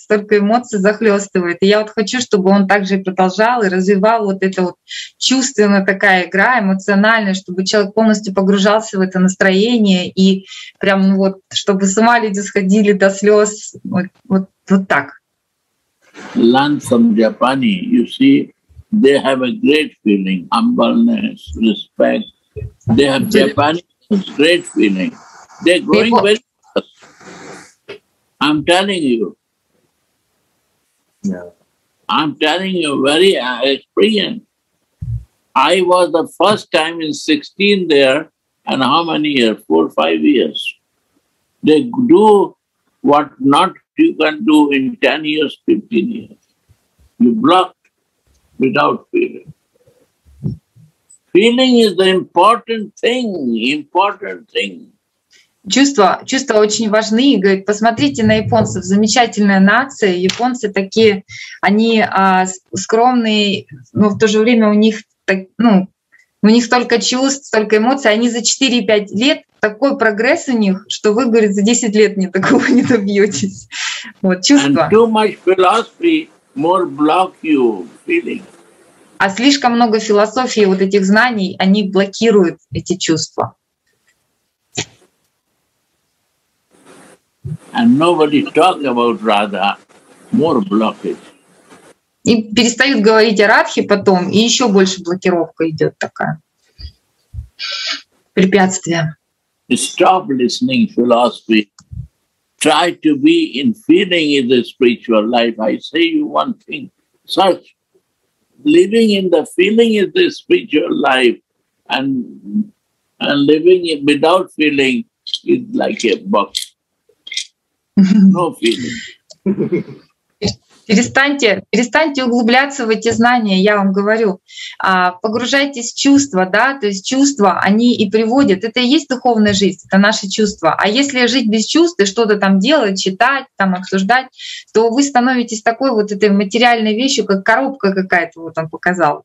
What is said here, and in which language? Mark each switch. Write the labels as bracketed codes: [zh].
[ru] Столько эмоций захлестывает. И я вот хочу, чтобы он также продолжал и развивал вот это вот чувственная такая игра, эмоциональная, чтобы человек полностью погружался в это настроение и прям вот, чтобы с ума люди сходили до слез. Вот так. [en] Learn from Japanese. You see, they have a great feeling, humbleness, respect. They have Japanese great feeling. They're growing very fast. I'm telling you. Yeah. I'm telling you very experience. I was the first time in 16 there, and how many years? 4 or 5 years. They do what not you can do in 10 years, 15 years. You block without feeling. Feeling is the important thing. [ru] Чувства очень важны. И говорит, посмотрите на японцев, замечательная нация. Японцы такие, они скромные, но в то же время у них так, ну, у них столько чувств, столько эмоций. Они за 4-5 лет, такой прогресс у них, что вы, говорит, за 10 лет ни такого не добьетесь. Вот, чувства. [en] And too much philosophy more block you feeling. [ru] А слишком много философии вот этих знаний, они блокируют эти чувства. [en] And nobody talk about Radha, more blockage. [ru] И перестают говорить о Радхе потом, и еще больше блокировка идет такая. Препятствие. [en] Stop listening philosophy. Try to be in feeling in the spiritual life. I say you one thing. Such living in the feeling is the spiritual life, and living it without feeling is like a box. No feeling. [ru] Перестаньте углубляться в эти знания, я вам говорю. Погружайтесь в чувства, да, то есть чувства, они и приводят. Это и есть духовная жизнь, это наши чувства. А если жить без чувств и что-то там делать, читать, там обсуждать, то вы становитесь такой вот этой материальной вещью, как коробка какая-то, вот он показал.